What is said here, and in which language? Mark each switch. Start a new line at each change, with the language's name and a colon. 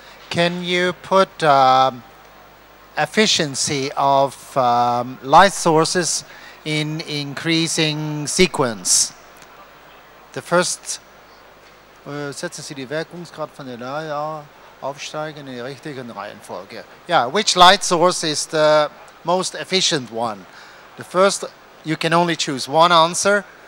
English: Can you put efficiency of light sources in increasing sequence? The first
German: setzen Sie die Wirkungsgrad von der Lichtquelle aufsteigen in die richtigen Reihenfolge.
English: Yeah, which light source is the most efficient one? The first, you can only choose one answer.